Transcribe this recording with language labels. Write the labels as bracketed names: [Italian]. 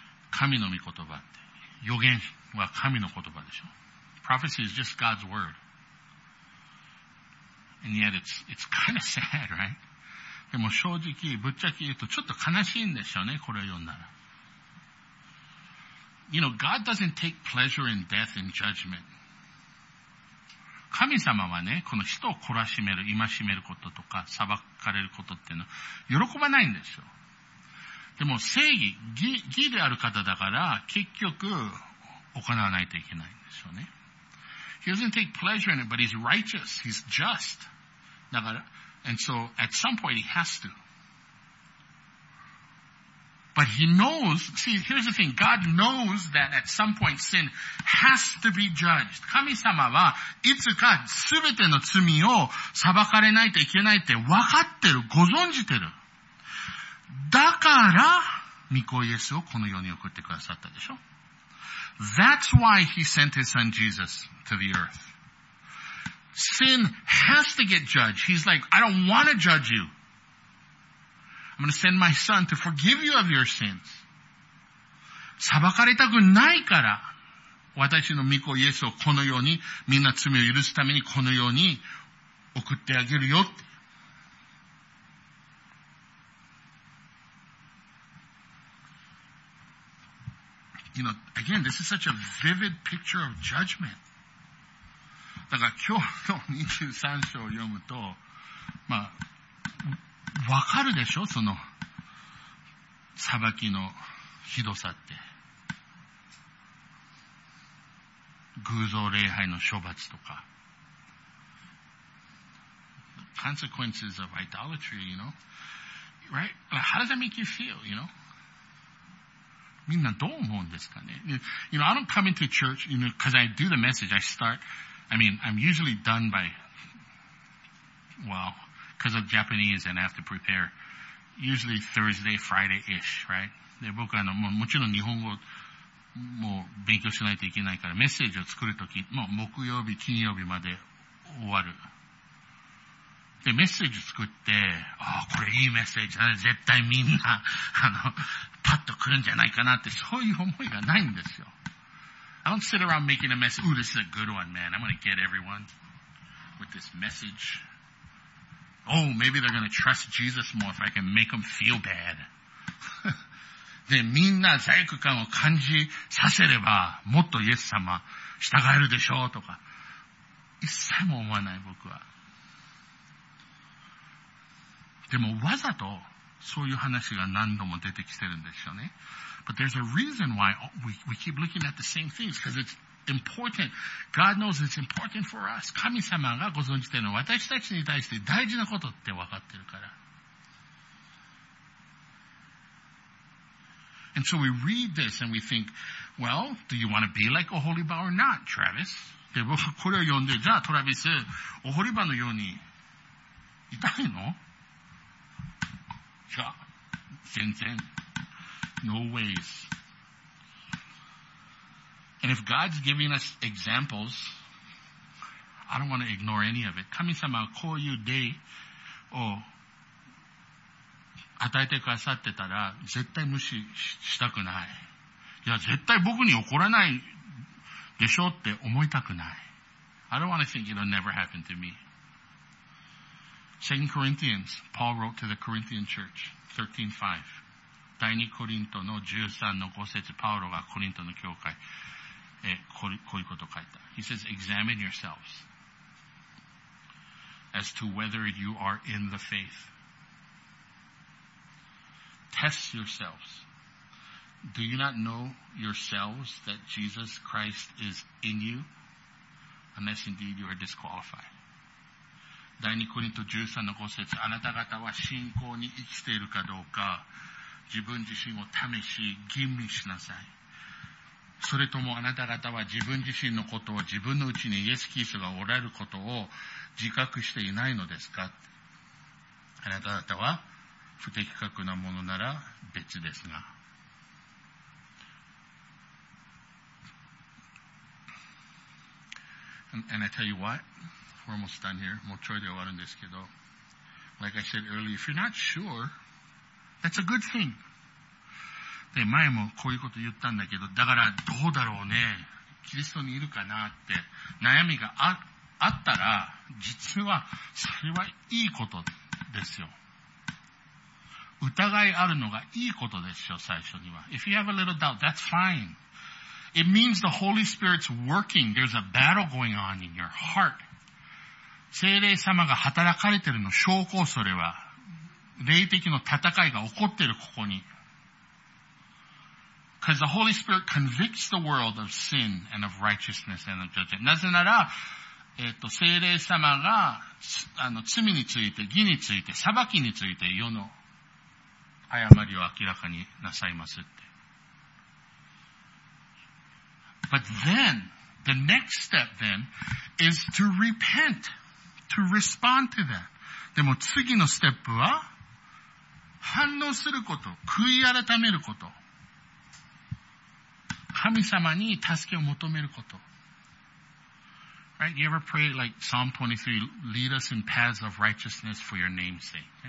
[Japanese] 神の御言葉って。予言は神の言葉でしょ ? [English] Prophecy is just God's word. And yet it's kind of sad, right? [Japanese] でも正直、ぶっちゃけ言うとちょっと悲しいんでしょうね、これを読んだら。 [English] You know, God doesn't take pleasure in death and judgment. [Japanese] 神様はね、この人を懲らしめる、戒めることとか、裁かれることっていうのは、喜ばないんですよ。でも、正義、義である方だから、結局、行わないといけないんですよね。 [English] He doesn't take pleasure in it, but he's righteous, he's just. [Japanese] だから、 [English] and so, at some point, he has to. But he knows, see, here's the thing, God knows that at some point sin has to be judged. [Japanese] 神様はいつか全ての罪を裁かれないといけないって分かってる、ご存じてる。だから、御子イエスをこの世に送ってくださったでしょ。 [English] That's why he sent his son Jesus to the earth. Sin has to get judged. He's like, I don't want to judge you. I'm going to send my son to forgive you of your sins. [Japanese] 裁かれたくないから、私の御子イエスをこの世に、みんな罪を許すためにこの世に送ってあげるよって。 [English] You know, again, this is such a vivid picture of judgment. [Japanese] だから今日の23章を読むと、まあ、わかるでしょ? その、裁きのひどさって。偶像礼拝の処罰とか。 [English] The consequences of idolatry, you know? Right? Like, how does that make you feel, you know? [Japanese] みんなどう思うんですかね? [English] You know, I don't come into church, you know, because I do the message, I'm usually done by, well, because of Japanese and I have to prepare, usually Thursday, Friday-ish, right? [Japanese] で、僕はもちろん日本語も勉強しないといけないから、メッセージを作るとき、もう木曜日、金曜日まで終わる。で、メッセージ作って、あ、これいいメッセージだね。絶対みんな、パッと来るんじゃないかなって、そういう思いがないんですよ。 [English] I don't sit around making a message. Ooh, this is a good one, man. I'm gonna get everyone with this message. Oh, maybe they're gonna trust Jesus more if I can make them feel bad. [Japanese] で、みんな罪悪感を感じさせれば、もっとイエス様従えるでしょうとか、一切も思わない、僕は。でもわざとそういう話が何度も出てきてるんですよね。 [English] But there's a reason why we keep looking at the same things because it's important. God knows it's important for us. [Japanese] 神様がご存じてるのは私たちに対して大事なことって分かってるから。 [English] And so we read this and we think, well, do you want to be like a holy bar or not, Travis? [Japanese] で、僕これを読んで、じゃあトラビス、お堀場のようにいたいの? 全然 [English] No ways. And if God's giving us examples, I don't want to ignore any of it. [Japanese] 神様はこういう例を与えてくださってたら絶対無視したくない。いや、絶対僕に怒らないでしょって思いたくない。 [English] I don't want to think it'll never happen to me. 2 Corinthians, Paul wrote to the Corinthian church. [Japanese] 13:5. 第2コリントの13の5節、パウロがコリントの教会へこういうことを書いた。 [English] He says, examine yourselves as to whether you are in the faith. Test yourselves. Do you not know yourselves that Jesus Christ is in you? Unless indeed you are disqualified. [Japanese] 第2コリント13の5節、あなた方は信仰に生きているかどうか、自分自身を試し、吟味しなさい。それともあなた方は自分自身のことを、自分のうちにイエス・キリストがおられることを自覚していないのですか? あなた方は不適格なものなら別ですが。 [English] And I tell you what? We're almost done here. [Japanese] もうちょいで終わるんですけど。 [English] Like I said earlier, if you're not sure, that's a good thing. [Japanese] で、前もこういうこと言ったんだけど、だからどうだろうね。キリストにいるかなって悩みが あったら、実はそれはいいことですよ。疑いあるのがいいことですよ、最初には。 [English] If you have a little doubt, that's fine. It means the Holy Spirit's working. There's a battle going on in your heart. [Japanese] 聖霊様が働かれているの証拠それは霊的の戦いが起こっているここに [English] Because the Holy Spirit convicts the world of sin and of righteousness and of judgment. [Japanese] なぜなら聖霊様が罪について義について裁きについて世の誤りを明らかになさいますって。 But then, the next step then is to repent, to respond to that. でも次のステップは反応すること、悔い改めること。神様に助けを求めること。 [English] Right? You ever pray like Psalm 23, lead us in paths of righteousness for your name's sake.